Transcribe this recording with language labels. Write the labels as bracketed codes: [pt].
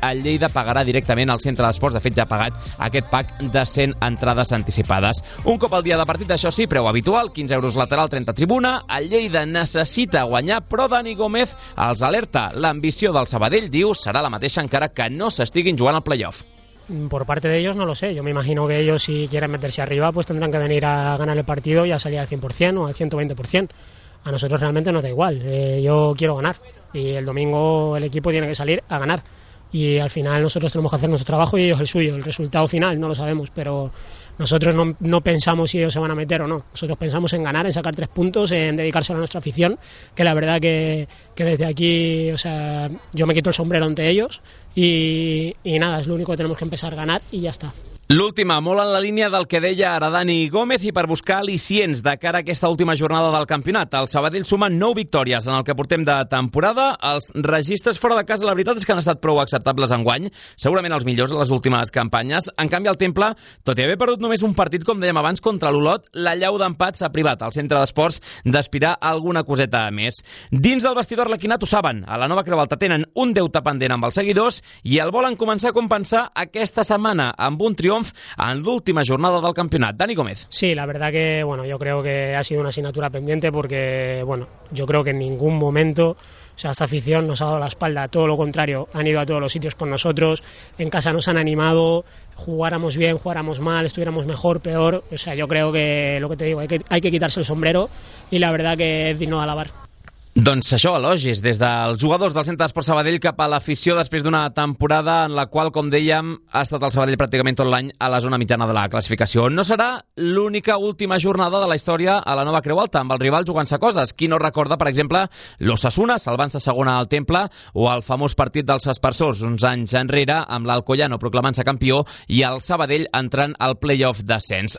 [ca] El Lleida pagarà directament al Centre d'Esports, de fet ja ha pagat aquest pack de 100 entrades anticipades. Un cop al dia de partit, això sí, preu habitual, 15 euros lateral, 30 tribuna. El Lleida necessita guanyar, però Dani Gómez els alerta. L'ambició del Sabadell, diu, serà la mateixa encara que no s'estiguin jugant al playoff. [es] Por parte de ellos no lo sé, yo me imagino que ellos, si quieren meterse arriba, pues tendrán que venir a ganar el partido y a salir al 100% o al 120%. A nosotros realmente nos da igual, yo quiero ganar y el domingo el equipo tiene que salir a ganar y al final nosotros tenemos que hacer nuestro trabajo y ellos el suyo. El resultado final no lo sabemos, pero nosotros no pensamos si ellos se van a meter o no, nosotros pensamos en ganar, en sacar 3 puntos, en dedicárselo a nuestra afición, que la verdad que desde aquí, o sea, yo me quito el sombrero ante ellos y nada, es lo único que tenemos que empezar a ganar y ya está. [ca] L'última, molt en la línia del que deia ara Dani Gómez, i per buscar al·licients de cara a aquesta última jornada del campionat. El Sabadell suma 9 victòries en el que portem de temporada. Els registres fora de casa, la veritat és que han estat prou acceptables enguany, segurament els millors de les últimes campanyes. En canvi, el Temple, tot i haver perdut només un partit, com dèiem abans, contra l'Olot, l'allau d'empat s'ha privat al Centre d'Esports d'aspirar alguna coseta a més. Dins del vestidor, l'equinat ho saben. A la Nova Creu Alta tenen un deute pendent amb els seguidors i el volen començar a compensar aquesta setmana amb un triomf en l'última jornada del campionat. Dani Gómez. [es] Sí, la verdad que, bueno, yo creo que ha sido una asignatura pendiente porque, bueno, yo creo que en ningún momento, o sea, esta afición nos ha dado la espalda, todo lo contrario, han ido a todos los sitios con nosotros, en casa nos han animado, jugáramos bien, jugáramos mal, estuviéramos mejor, peor, o sea, yo creo que, lo que te digo, hay que quitarse el sombrero y la verdad que es digno de alabar. [ca] Doncs això, elogis des dels jugadors del Centre d'Esport Sabadell cap a l'afició després d'una temporada en la qual, com dèiem, ha estat el Sabadell pràcticament tot l'any a la zona mitjana de la classificació. No serà l'única última jornada de la història a la Nova Creu Alta, amb els rivals jugant-se coses. Qui no recorda, per exemple, l'Osasuna salvant-se segona al Temple o el famós partit dels Aspersors uns anys enrere amb l'Alcoyano proclamant-se campió i el Sabadell entrant al play-off d'ascens.